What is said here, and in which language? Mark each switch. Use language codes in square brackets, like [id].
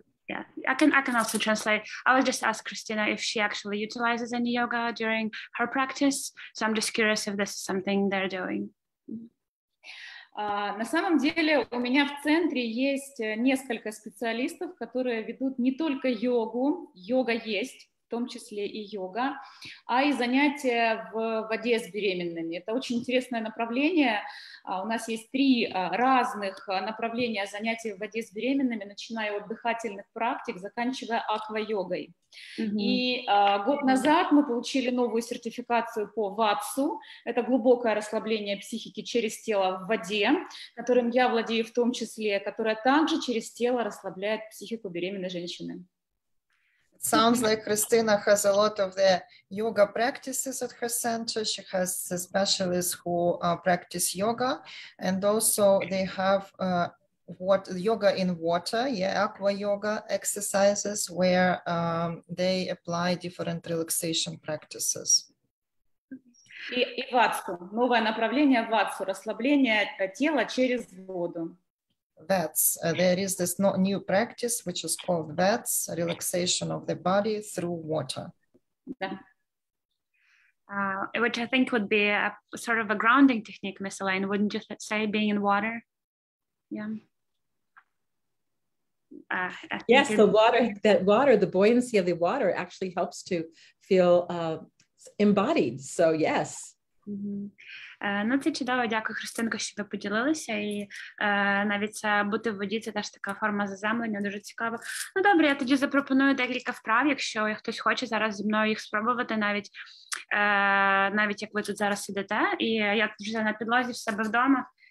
[en] Yeah, I can also translate. I was just asked Christina if she actually utilizes any yoga during her practice. So I'm just curious if this is something they're doing. [ru] На самом деле у меня в центре есть несколько специалистов, которые ведут не только йогу. Йога есть, в том числе и йога, а и занятия в воде с беременными. Это очень интересное направление. У нас есть три разных направления занятий в воде с беременными, начиная от дыхательных практик, заканчивая аква-йогой. Mm-hmm. И год назад мы получили новую сертификацию по ВАТСУ. Это глубокое расслабление психики через тело в воде, которым я владею в том числе, которое также через тело расслабляет психику беременной женщины. [en] Sounds like Christina has a lot of the yoga practices at her center. She has specialists who practice yoga, and also they have yoga in water, yeah, aqua yoga exercises, where they apply different relaxation practices. [ru] И ватсу, новое направление ватсу, расслабление тела через воду. [en] Vets. There is this new practice which is called vets, relaxation of the body through water. Yeah. Which I think would be a sort of a grounding technique, Miss Elaine, wouldn't you say, being in water? Yeah. Yes, the water, that water, the buoyancy of the water actually helps to feel embodied. So yes. Mm-hmm. [uk] Ну, це чудово, дякую, Христинко, що ви поділилися, і навіть це бути в воді, це теж така форма заземлення, дуже цікаво. Ну, добре, я тоді запропоную декілька вправ, якщо хтось хоче зараз зі мною їх спробувати, навіть як ви тут зараз сидите, і я вже на підлозі в себе вдома,